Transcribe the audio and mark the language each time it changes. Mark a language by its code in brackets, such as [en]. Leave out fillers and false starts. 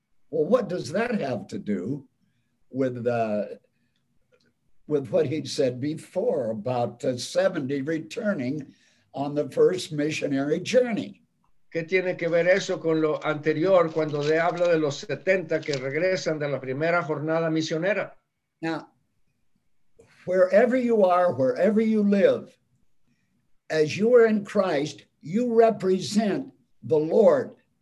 [en] Well, what does that have to do with what he said before about the 70 returning on the first missionary journey? [es] ¿Qué tiene que ver eso con lo anterior cuando le habla de los 70 que regresan de la primera jornada misionera? [en] Now, wherever you are, wherever you live, as you are in Christ, you represent the Lord.